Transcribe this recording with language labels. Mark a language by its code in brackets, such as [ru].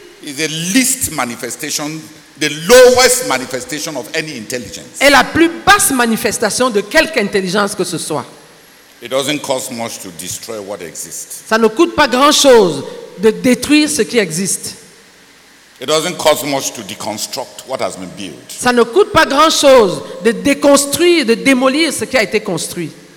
[en] is the least manifestation, the lowest manifestation of any intelligence. [fr] Est la plus basse manifestation de quelque intelligence que ce soit. [en] It doesn't cost much to destroy what exists. [fr] Ça ne coûte pas grand-chose de détruire ce qui existe. [en] It doesn't cost much to deconstruct what has been built. [fr] Ça ne coûte pas grand-chose de déconstruire, de démolir ce qui a été construit.